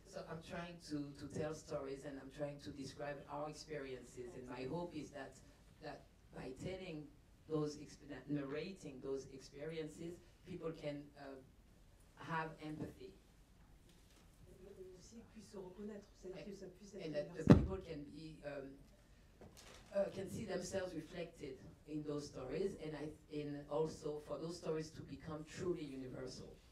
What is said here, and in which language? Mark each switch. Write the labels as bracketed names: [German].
[English] So I'm trying to tell stories and I'm trying to describe our experiences and my hope is that by telling those narrating those experiences, people can have empathy. [French] Aussi puisse se reconnaître, c'est-à-dire que ça puisse être. [English] And that the people can be can see themselves reflected in those stories and also for those stories to become truly universal.